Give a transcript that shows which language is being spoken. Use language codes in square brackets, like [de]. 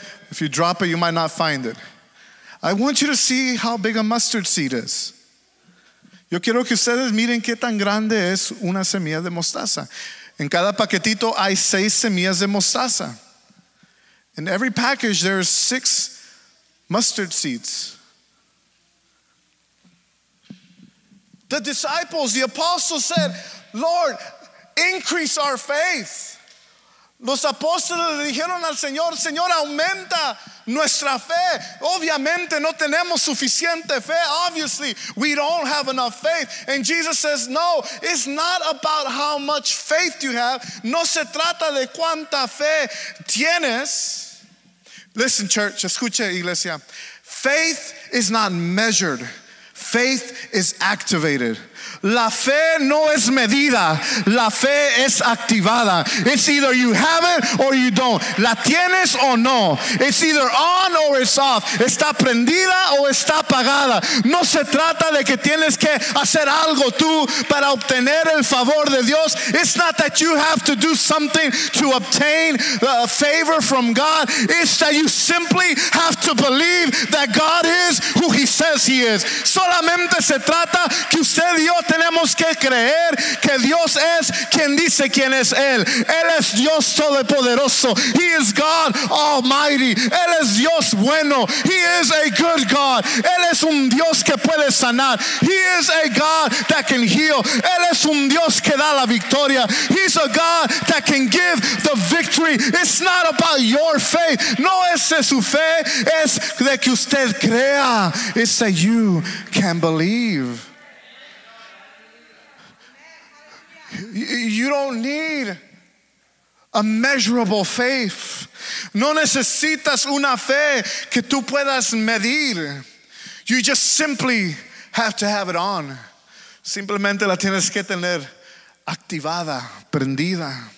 [en] If you drop it, you might not find it. I want you to see how big a mustard seed is. [es] Yo quiero que ustedes miren qué tan grande es una semilla de mostaza. En cada paquetito hay seis semillas de mostaza. [en] In every package there are six mustard seeds. The disciples, the apostles said, Lord, increase our faith. [es] Los apóstoles le dijeron al Señor, Señor, aumenta nuestra fe. Obviamente no tenemos suficiente fe. [en] Obviously, we don't have enough faith. And Jesus says, no, it's not about how much faith you have. [es] No se trata de cuánta fe tienes. [en] Listen, church, [es] escuche, iglesia. [en] Faith is not measured. Faith is activated. [es] La fe no es medida, la fe es activada. [en] It's either you have it or you don't. [es] La tienes o no. [en] It's either on or it's off. [es] Está prendida o está apagada. No se trata de que tienes que hacer algo tú para obtener el favor de Dios. [en] It's not that you have to do something to obtain a favor from God. It's that you simply have to believe that God is who He says He is. [es] Solamente se trata que usted y yo tenemos que creer que Dios es quien dice quién es Él. Él es Dios Todopoderoso. [en] He is God Almighty. [es] Él es Dios bueno. [en] He is a good God. [es] Él es un Dios que puede sanar. [en] He is a God that can heal. [es] Él es un Dios que da la victoria. [en] He's a God that can give the victory. It's not about your faith. [es] No es de su fe, es de que usted crea. [en] It's that you can believe. You don't need a measurable faith. [es] No necesitas una fe que tú puedas medir. [en] You just simply have to have it on. [es] Simplemente la tienes que tener activada, prendida.